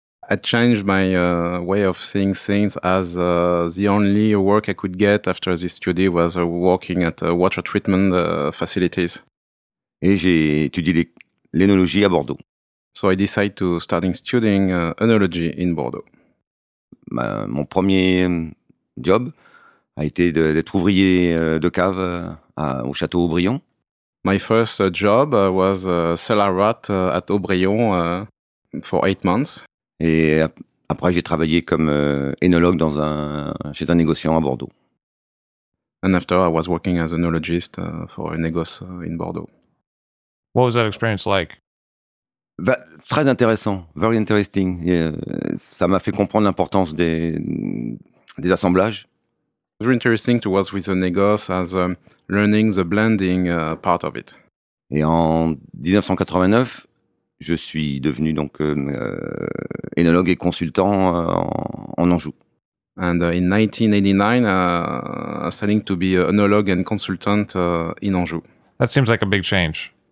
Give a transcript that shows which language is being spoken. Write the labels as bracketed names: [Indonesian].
[English] I changed my way of seeing things as the only work I could get after this study was working at water treatment facilities. [French] Et j'ai étudié l'œnologie à Bordeaux. [English] So I decided to start studying œnologie in Bordeaux. [French] Mon premier job a été d'être ouvrier de cave au château Aubryon. [English] My first job was cellar rat at Aubryon for 8 months. [French] Et après j'ai travaillé comme œnologue chez un négociant à Bordeaux. [English] And after I was working as an œnologist for a négoce in Bordeaux. What was that experience like? [French] Très intéressant, [English] very interesting. [French] Ça m'a fait comprendre l'importance des assemblages. [English] Very interesting to work with the négoce as learning the blending part of it. [French] Et en 1989, je suis devenu donc œnologue et consultant en Anjou. [English] And in 1989, I starting to be an œnologue and consultant in Anjou. That seems like a big change.